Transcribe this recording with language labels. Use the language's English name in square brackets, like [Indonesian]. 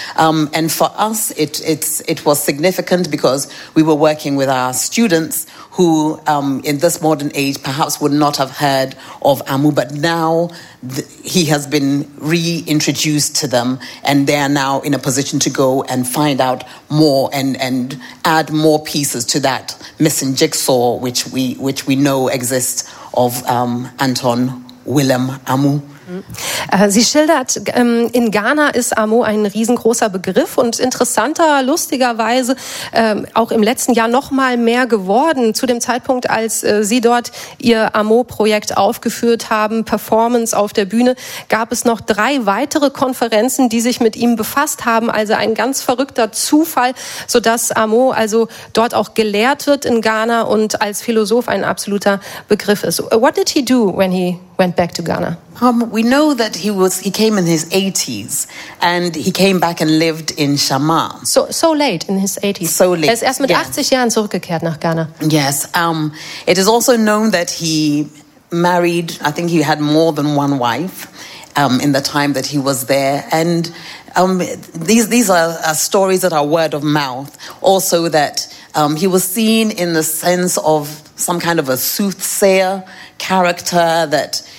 [English] And for us, it was significant because we were working with our students who, in this modern age, perhaps would not have heard of Amu, but now he has been reintroduced to them and they are now in a position to go and find out more and add more pieces to that missing jigsaw which we know exists of Anton Wilhelm Amo. [German] Sie schildert, in Ghana ist Amo ein riesengroßer Begriff und interessanter, lustigerweise auch im letzten Jahr noch mal mehr geworden. Zu dem Zeitpunkt, als Sie dort Ihr Amo-Projekt aufgeführt haben, Performance auf der Bühne, gab es noch drei weitere Konferenzen, die sich mit ihm befasst haben. Also ein ganz verrückter Zufall, sodass Amo also dort auch gelehrt wird in Ghana und als Philosoph ein absoluter Begriff ist. [English] What did he do when he went back to Ghana? We know that he came in his 80s and he came back and lived in Chamar. So late in his 80s. So late. [German] Er ist erst mit 80 Jahren zurückgekehrt nach Ghana. [English] Yes. It is also known that he married, I think he had more than one wife in the time that he was there. And these are stories that are word of mouth. Also that he was seen in the sense of some kind of a soothsayer character, that